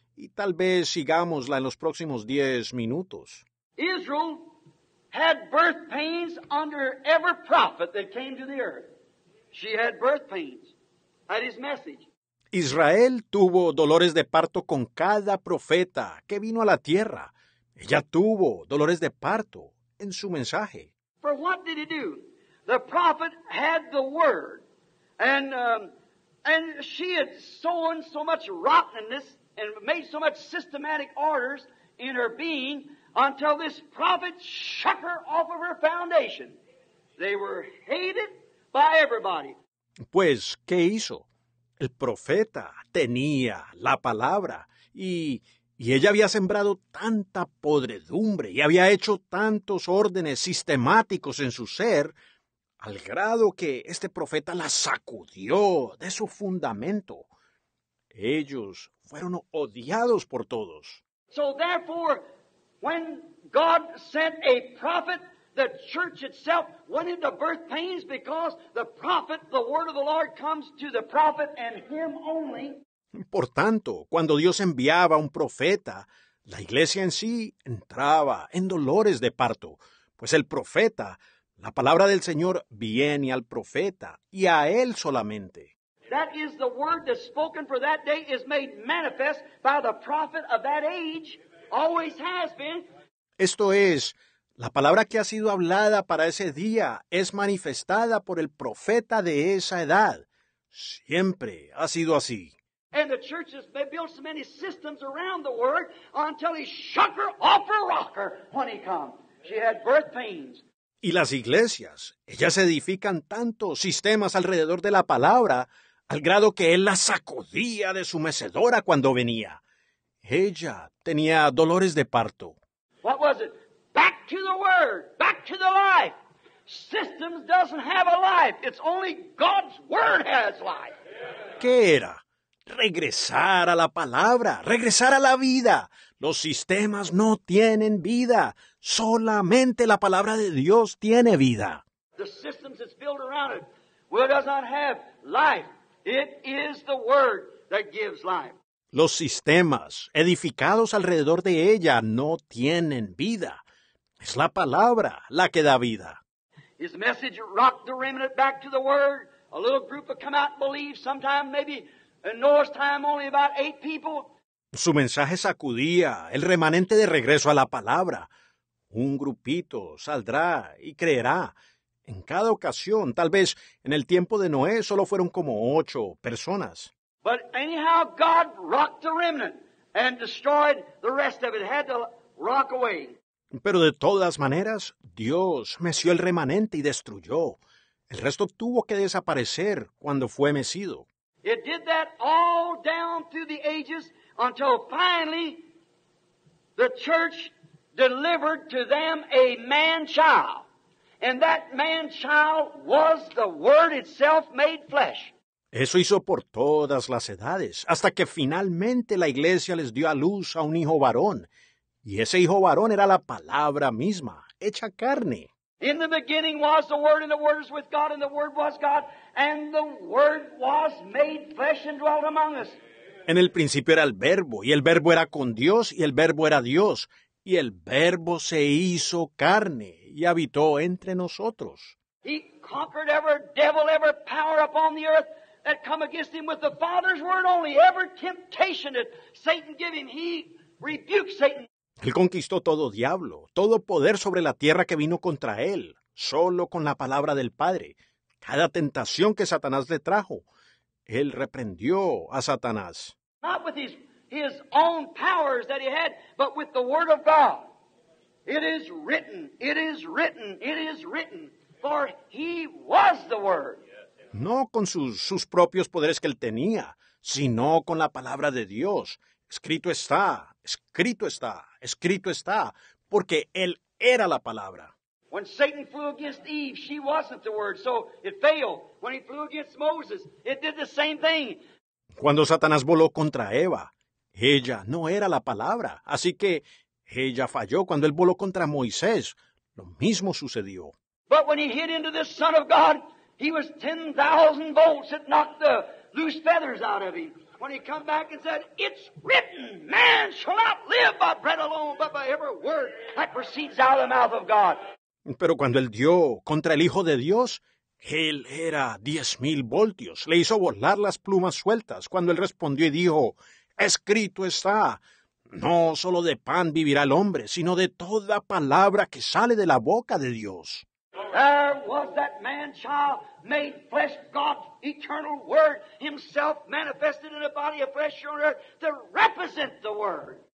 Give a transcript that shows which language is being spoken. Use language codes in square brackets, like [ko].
[es] Y tal vez sigámosla en los próximos 10 minutos. [en] Israel had birth pains under every prophet that came to the earth. She had birth pains at his message. [es] Israel tuvo dolores de parto con cada profeta que vino a la tierra. Ella tuvo dolores de parto en su mensaje. [en] For what did he do? The prophet had the word. And she had sown so much rottenness and made so much systematic orders in her being until this prophet shook her off of her foundation. They were hated by everybody. [es] Pues, ¿qué hizo? El profeta tenía la palabra y ella había sembrado tanta podredumbre y había hecho tantos órdenes sistemáticos en su ser, al grado que este profeta la sacudió de su fundamento. Ellos fueron odiados por todos. [en] So therefore, when God sent a prophet, the church itself went into birth pains because the prophet, the word of the Lord comes to the prophet and him only. [es] Por tanto, cuando Dios enviaba a un profeta, la iglesia en sí entraba en dolores de parto, pues el profeta, la palabra del Señor viene al profeta y a él solamente. [en] That is the word that's spoken for that day is made manifest by the prophet of that age, always has been. [es] Esto es, la palabra que ha sido hablada para ese día es manifestada por el profeta de esa edad. Siempre ha sido así. [en] And the church has built so many systems around the word until he shook her off her rocker when he comes. She had birth pains. [es] Y las iglesias, ellas edifican tantos sistemas alrededor de la palabra al grado que él la sacudía de su mecedora cuando venía. Ella tenía dolores de parto. [en] What was it? Back to the word, back to the life. Systems doesn't have a life. It's only God's word has life. [es] ¿Qué era? Regresar a la palabra, regresar a la vida. Los sistemas no tienen vida. Solamente la palabra de Dios tiene vida. [en] The systems that's built around it, well, does not have life. It is the word that gives life. [es] Los sistemas edificados alrededor de ella no tienen vida. Es la palabra la que da vida. [en] His message rocked the remnant back to the word. A little group would come out and believe sometime, maybe in Noah's time, only about 8 people. [es] Su mensaje sacudía el remanente de regreso a la palabra. Un grupito saldrá y creerá. En cada ocasión, tal vez en el tiempo de Noé, solo fueron como 8 personas. [en] But anyhow, God rocked the remnant and destroyed the rest of it. Had to rock away. [es] Pero de todas maneras, Dios meció el remanente y destruyó. El resto tuvo que desaparecer cuando fue mecido. [en] It did that all down through the ages until finally the church delivered to them a man-child. And that man-child was the word itself made flesh. [es] Eso hizo por todas las edades, hasta que finalmente la iglesia les dio a luz a un hijo varón. Y ese hijo varón era la palabra misma, hecha carne. [en] In the beginning was the word, and the word was with God, and the word was God, and the word was made flesh and dwelt among us. [es] En el principio era el verbo, y el verbo era con Dios, y el verbo era Dios. Y el verbo se hizo carne, y habitó entre nosotros. [en] He conquered every devil, every power upon the earth that come against him with the Father's word only. Every temptation that Satan gave him, he rebuked Satan. [es] Él conquistó todo diablo, todo poder sobre la tierra que vino contra él, solo con la palabra del Padre. Cada tentación que Satanás le trajo, él reprendió a Satanás. [en] Not with his own powers that he had, but with the word of God. It is written, it is written, it is written, for he was the word. [es] No con sus propios poderes que él tenía, sino con la palabra de Dios. Escrito está, escrito está, escrito está, porque él era la palabra. [en] When Satan flew against Eve, she wasn't the word, so it failed. When he flew against Moses, it did the same thing. [es] Cuando Satanás voló contra Eva, ella no era la palabra, así que ella falló. Cuando él voló contra Moisés, lo mismo sucedió. [en] But when he hit into this Son of God, he was 10,000 volts that knocked the loose feathers out of him. When he come back and said, it's written, man shall not live by bread alone, but by every word that proceeds out of the mouth of God. [es] Pero cuando él dio contra el Hijo de Dios, él era 10,000 voltios. Le hizo volar las plumas sueltas cuando él respondió y dijo, escrito está, no solo de pan vivirá el hombre, sino de toda palabra que sale de la boca de Dios. [en] There was that man-child made flesh, God's eternal word, himself manifested in a body of flesh on earth to represent the word.